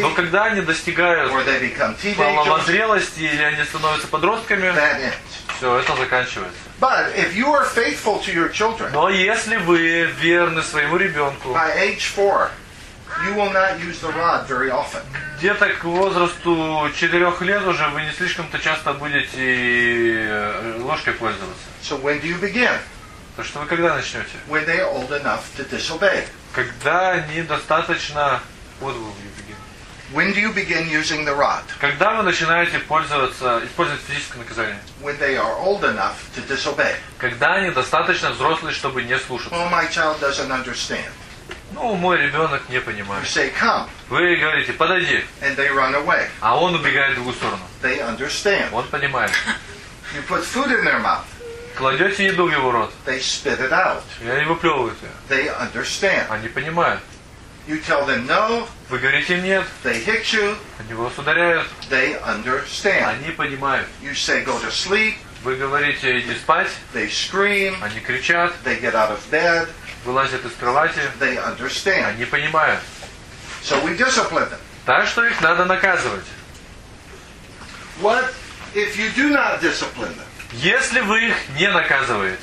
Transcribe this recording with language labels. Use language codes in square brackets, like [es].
[ru] но когда они достигают половозрелости или они становятся подростками, все это заканчивается. [en] But if you are faithful to your children, [ru] но если вы верны своему ребенку, [en] by age 4, you will not use the rod very often. [ru] Где-то к возрасту 4 лет уже вы не слишком-то часто будете ложкой пользоваться. [en] So when do you begin? [ru] То что вы когда начнете? [en] When they are old enough to disobey. [ru] Когда они достаточно [en] When do you begin using the rod? [ru] Когда вы начинаете использовать физическое наказание? [en] When they are old enough to disobey. [ru] Когда они достаточно взрослые, чтобы не слушаться? [en] Well, my child doesn't understand. [ru] Мой ребенок не понимает. [en] You say, come. [ru] Вы говорите, подойди. [en] And they run away. [ru] А он убегает в другую сторону. [en] They understand. [ru] Он понимает. [en] You put food in their mouth. [ru] Кладете еду в его рот. [en] They spit it out. [ru] И они выплевывают ее. [en] They understand. [ru] Они понимают. [en] You tell them no. [ru] Вы говорите нет. [en] They hit you. [ru] Они вас ударяют. [en] They understand. [ru] Они понимают. [en] You say go to sleep. [ru] Вы говорите иди спать. [en] They scream. [ru] Они кричат. [en] They get out of bed. [ru] Вылазят из кровати. [en] They understand. [ru] Они понимают. [en] So we discipline them. [ru] Так что их надо наказывать. [en] What if you do not discipline them? [ru] Если вы их не наказываете.